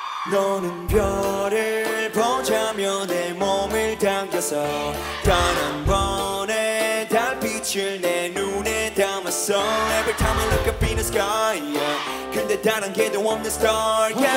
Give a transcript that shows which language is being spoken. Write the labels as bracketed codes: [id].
[ko] 너는 별을 보자며 내 몸을 당겨서 단 한 번의 달빛을 내 눈에 담았어. [en] Every time I look up in the sky yeah. [ko] 근데 단 한 개도 없는 star yeah.